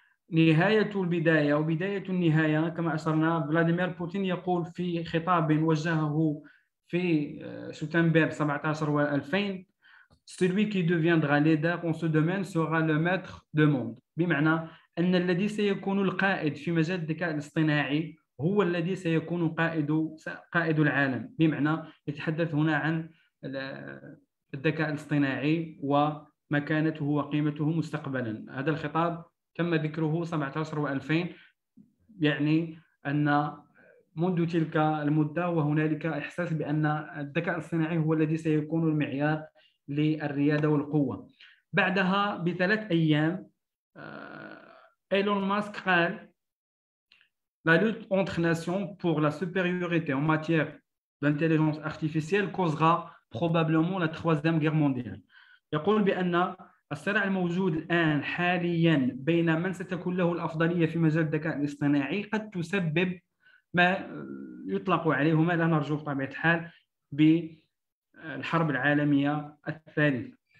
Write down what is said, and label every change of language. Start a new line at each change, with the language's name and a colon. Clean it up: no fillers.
Arabic: نهاية البداية وبداية النهاية، كما أشرنا فلاديمير بوتين يقول في خطاب وجهه في سبتمبر 17 و2000:
French: celui qui deviendra leader en ce domaine sera le maître du monde،
Arabic: بمعنى أن الذي سيكون القائد في مجال الذكاء الاصطناعي هو الذي سيكون قائد العالم، بمعنى يتحدث هنا عن الذكاء الاصطناعي ومكانته وقيمته مستقبلا. هذا الخطاب تم ذكره 17 و2000، يعني أن منذ تلك المدة وهنالك إحساس بأن الذكاء الصناعي هو الذي سيكون المعيار للريادة والقوة. بعدها ب3 أيام إيلون ماسك قال:
French: La lutte entre nations pour la supériorité en matière d'intelligence artificielle causera probablement la troisième guerre mondiale.
Arabic: يقول بأن الصراع الموجود الآن حاليا بين من ستكون له الأفضلية في مجال الذكاء الاصطناعي قد تسبب ما يطلق عليه، ما لا نرجوه بطبيعة الحال، بالحرب العالمية الثالثة.